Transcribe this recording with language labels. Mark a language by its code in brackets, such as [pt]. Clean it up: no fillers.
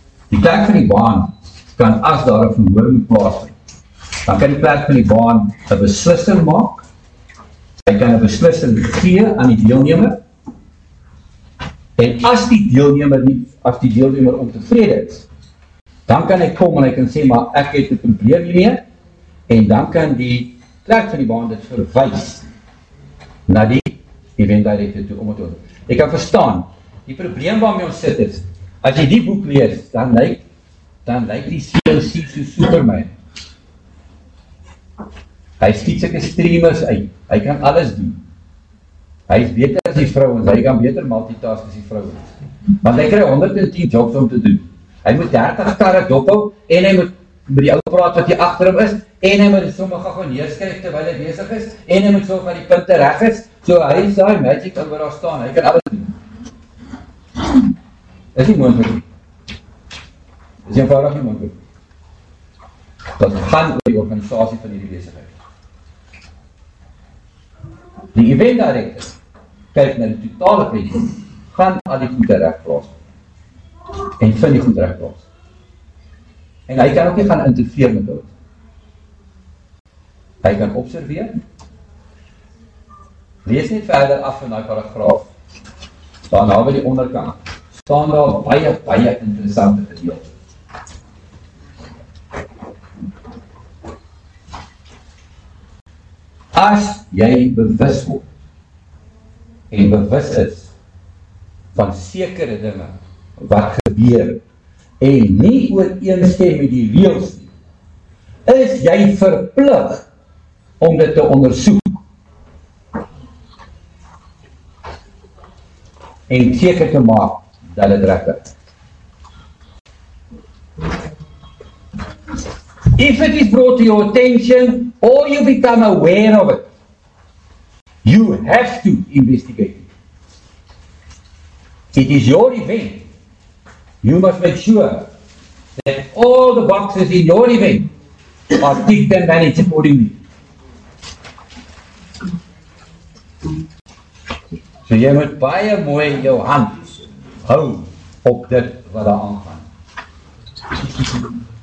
[af] Die plek van die baan kan as daar een verhoring plaas vind, dan kan die plek van die baan een beslissing maak, hy kan een beslissing gee aan die deelnemer, en as die deelnemer nie, as die deelnemer ontevrede is, dan kan hy kom en hy kan sê, maar ek het een probleem hiermee, en dan kan die plek van die baan dit verwijs na die event director toe om het oor. Ek kan verstaan, die probleem waarmee ons sit is, as jy die boek lees, dan lyk die CLC so Superman. Hy skiet sy streamers uit, hy kan alles doen. Hy is beter as die vrouwens, hy kan beter multitask as die vrouwens. Want hy krijg 110 jobs om te doen. Hy moet 30 karre dophou, en hy moet met die ou praat wat hier achter hom is, en hy moet sommige gaan neerskryf terwyl hy bezig is, en hy moet sorg dat die punte reg is, so hy is daar magic al waar daar staan, hy kan alles doen. Is nie moontlik nie. Is eenvoudig nie moontlik nie. Dit gaan oor die organisasie van die besigheid. Die event director kyk na die totale prentjie, gaan al die goede reg plaas en vind die goede reg plaas. En hy kan ook nie gaan interfere met dit. Hy kan observeer. Lees net verder af van die paragraaf, daarna by die onderkant, staan daar baie interessante gedeelte. As jy bewus word en bewus is van sekere dinge wat gebeur en nie ooreenstem met die reëls nie, is jy verplig om dit te ondersoek en seker te maak dat dit reg is. [en] If it is brought to your attention, or you become aware of it, you have to investigate it. It is your event. You must make sure that all the boxes in your event are ticked and managed accordingly. [af] So jy moet baie mooi jou hand hou op dit wat daar aangaan.